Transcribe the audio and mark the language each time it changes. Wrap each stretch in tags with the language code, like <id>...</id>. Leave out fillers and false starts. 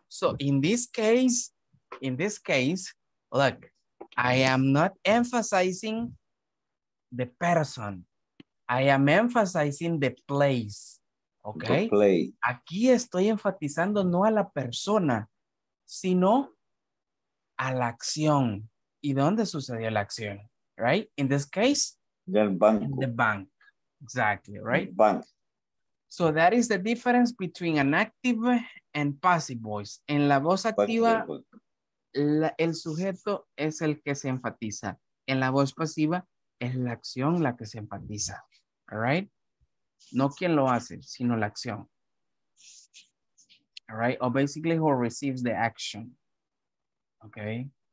<en>So in this case, look, I am not emphasizing the person. I am emphasizing the place. Okay? The place.</en> <es>Aquí estoy enfatizando no a la persona, sino a la acción. ¿Y dónde sucedió la acción? Right?</es> <en>In this case,</en> <es>del banco.</es> <en>In the bank. Exactly, right? Bank. So that is the difference between an active and passive voice.</en> <es>En la voz activa, el sujeto es el que se enfatiza. En la voz pasiva, es la acción la que se enfatiza. All right? No quien lo hace, sino la acción.</es> <en>All right? Or basically, who receives the action. Okay?</en>